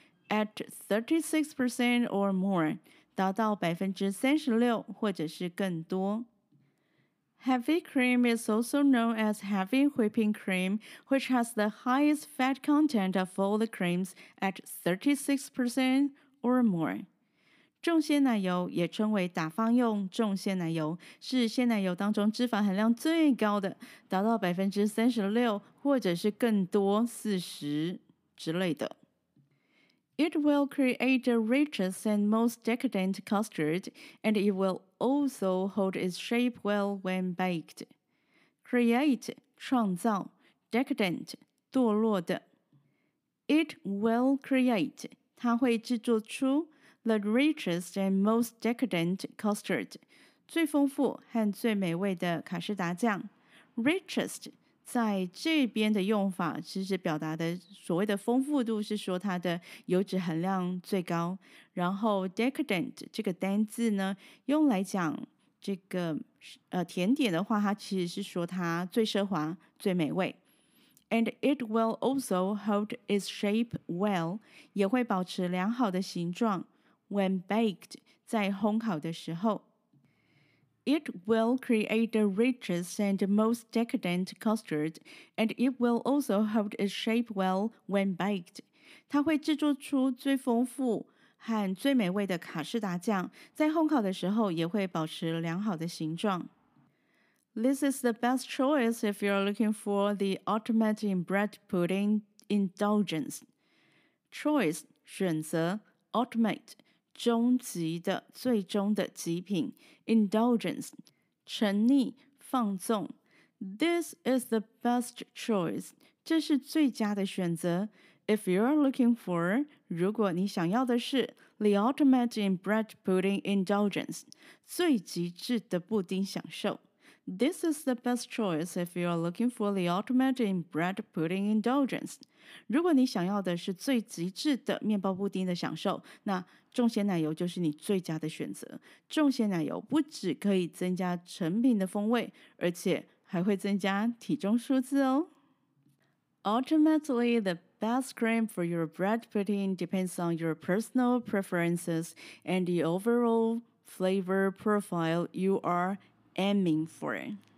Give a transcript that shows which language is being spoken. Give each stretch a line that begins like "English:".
English: at 36% or more,
Chinese: 达到 36% 或者是更多。
English: Heavy cream is also known as heavy whipping cream, which has the highest fat content of all the creams at 36% or more.
Chinese: 重鲜奶油也称为打发用重鲜奶油，是鲜奶油当中脂肪含量最高的，达到 36% 或者是更多40之类的。
English: It will create the richest and most decadent custard, and it will also hold its shape well when baked.
Chinese: Create, 创造, decadent, 堕落的。
English: It will create,
Chinese: 它会制作出 The richest and most decadent custard 最丰富和最美味的卡士达酱 Richest 在这边的用法其实表达的所谓的丰富度是说它的油脂含量最高然后 decadent 这个单字呢用来讲这个甜点的话它其实是说它最奢华最美味 And it will also hold its shape well, 也会保持良好的形状 when baked, 在烘烤的时候。
English: It will create the richest and most decadent custard, and it will also hold its shape well when baked.
Chinese: 它会制作出最丰富和最美味的卡士达酱,在烘烤的时候也会保持良好的形状。
English: This is the best choice if you're looking for the ultimate in bread pudding indulgence.
Chinese: Choice, 选择, ultimate, 终极的,最终的极品, indulgence, 沉溺,放纵.
English: This is the best choice, 这是最佳的选择, if you're looking for, 如果你想要的是, the ultimate in bread pudding indulgence, 最极致的布丁享受。 This is the best choice if you are looking for the ultimate in bread pudding indulgence.
Chinese: 如果你想要的是最极致的面包布丁的享受，那重咸奶油就是你最佳的选择。重咸奶油不只可以增加成品的风味，而且还会增加体重数字哦。
English: Ultimately, the best cream for your bread pudding depends on your personal preferences and the overall flavor profile you areAiming for it.